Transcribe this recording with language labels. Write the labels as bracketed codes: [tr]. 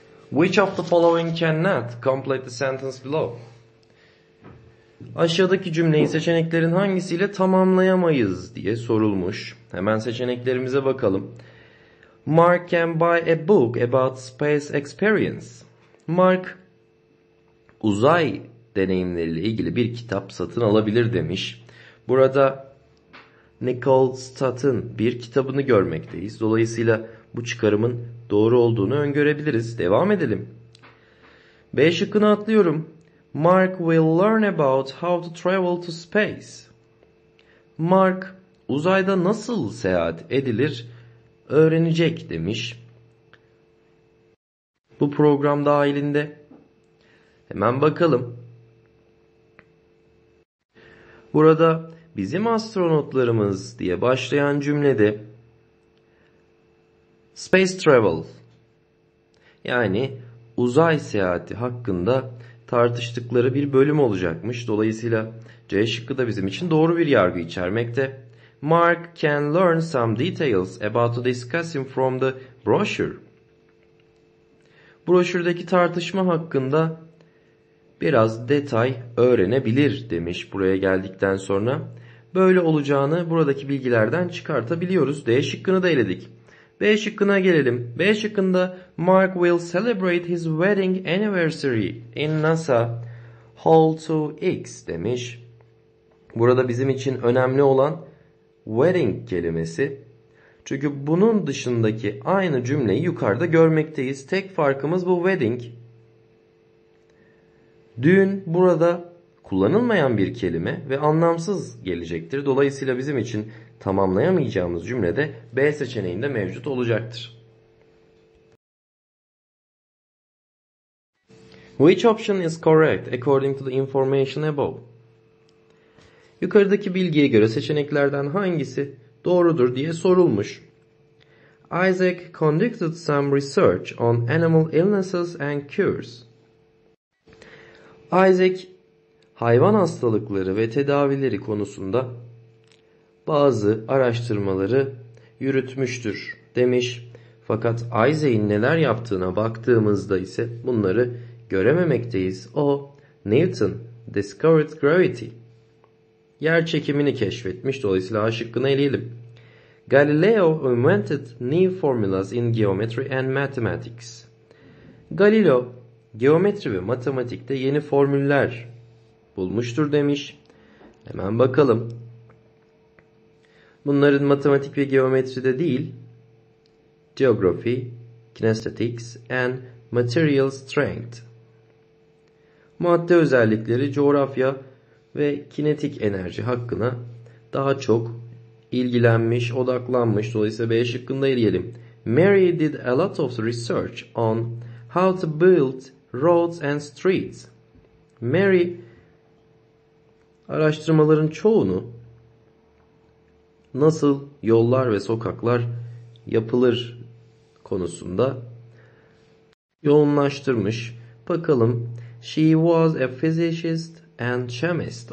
[en] Which of the following cannot complete the sentence below? [tr] Aşağıdaki cümleyi seçeneklerin hangisiyle tamamlayamayız diye sorulmuş. Hemen seçeneklerimize bakalım. [en] Mark can buy a book about space experience. [tr] Mark uzay deneyimleriyle ilgili bir kitap satın alabilir demiş. Burada Nicole Stott'ın bir kitabını görmekteyiz. Dolayısıyla bu çıkarımın doğru olduğunu öngörebiliriz. Devam edelim. B şıkkını atlıyorum. [en] Mark will learn about how to travel to space. [tr] Mark uzayda nasıl seyahat edilir öğrenecek demiş. Bu program dahilinde. Hemen bakalım. Burada bizim astronotlarımız diye başlayan cümlede space travel yani uzay seyahati hakkında tartıştıkları bir bölüm olacakmış. Dolayısıyla C şıkkı da bizim için doğru bir yargı içermekte. [en] Mark can learn some details about the discussion from the brochure. [tr] Broşürdeki tartışma hakkında biraz detay öğrenebilir demiş buraya geldikten sonra. Böyle olacağını buradaki bilgilerden çıkartabiliyoruz. D şıkkını da eledik. B şıkkına gelelim. B şıkkında [en] Mark will celebrate his wedding anniversary in NASA Hall 2X [tr] demiş. Burada bizim için önemli olan wedding kelimesi. Çünkü bunun dışındaki aynı cümleyi yukarıda görmekteyiz. Tek farkımız bu wedding. Düğün burada kullanılmayan bir kelime ve anlamsız gelecektir. Dolayısıyla bizim için tamamlayamayacağımız cümlede B seçeneğinde mevcut olacaktır. [en] Which option is correct according to the information above? [tr] Yukarıdaki bilgiye göre seçeneklerden hangisi doğrudur diye sorulmuş. [en] Isaac conducted some research on animal illnesses and cures. [tr] Isaac, hayvan hastalıkları ve tedavileri konusunda bazı araştırmaları yürütmüştür demiş. Fakat Isaac'in neler yaptığına baktığımızda ise bunları görememekteyiz. O, [en] Newton discovered gravity. [tr] Yer çekimini keşfetmiş. Dolayısıyla A şıkkını eleyelim. [en] Galileo invented new formulas in geometry and mathematics. [tr] Galileo, geometri ve matematikte yeni formüller bulmuştur demiş. Hemen bakalım. Bunların matematik ve geometride değil, [en] geography, kinesthetics and material strength. [tr] Madde özellikleri, coğrafya ve kinetik enerji hakkına daha çok ilgilenmiş, odaklanmış. Dolayısıyla B şıkkında eleyelim. [en] Mary did a lot of research on how to build roads and streets. [tr] Mary araştırmaların çoğunu nasıl yollar ve sokaklar yapılır konusunda yoğunlaştırmış. Bakalım. [en] She was a physicist and chemist.